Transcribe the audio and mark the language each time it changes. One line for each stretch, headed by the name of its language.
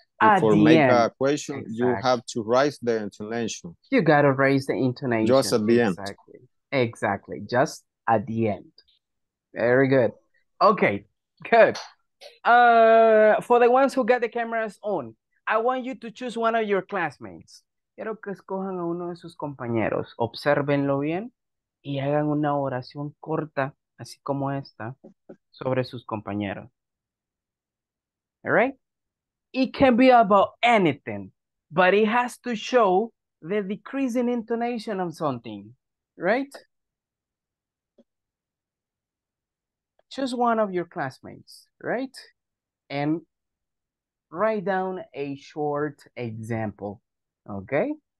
English: Before make end. A question, exactly. You have to raise the intonation. You got to raise the intonation. Just at the exactly. End. Exactly. Just at the end. Very good. Okay. Good. For the ones who got the cameras on, I want you to choose one of your classmates.
Spanish: Quiero que escojan a uno de sus compañeros. Obsérvenlo bien y hagan una oración corta, así como esta, sobre sus compañeros.
English: All right? It can be about anything, but it has to show the decreasing intonation of something, right? Choose one of your classmates, right? And write down a short example, okay?